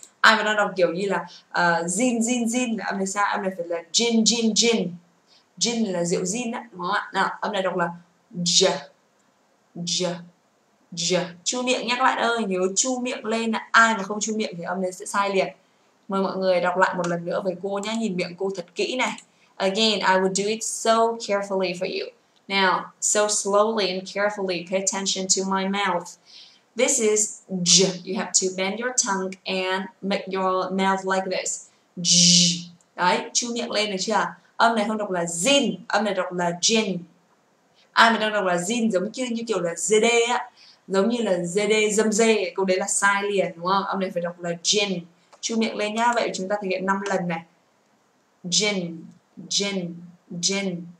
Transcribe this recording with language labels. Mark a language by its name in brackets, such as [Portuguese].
[Vietnamese] Ai mà đang đọc kiểu như là zin zin zin là âm này sai, âm này phải là gin gin gin. Gin là rượu gin á, đúng không ạ? Nào, âm này đọc là j j j. Chu miệng nhé các bạn ơi, nhớ chu miệng lên ạ. Ai mà không chu miệng thì âm này sẽ sai liền. Mời mọi người đọc lại một lần nữa với cô nhá, nhìn miệng cô thật kỹ này. [English] Again, I will do it so carefully for you. Now, so slowly and carefully, pay attention to my mouth. This is J. You have to bend your tongue and make your mouth like this. J. [Vietnamese] Đấy, chu miệng lên được chưa? Âm này không đọc là zin, âm này đọc là jin. Ai mà đang đọc là zin giống như kiểu là zd á. Giống như là zd, dâm dê, câu đấy là sai liền, đúng không? Âm này phải đọc là jin. Chu miệng lên nhá, vậy chúng ta thực hiện 5 lần này. Jin, jin, jin,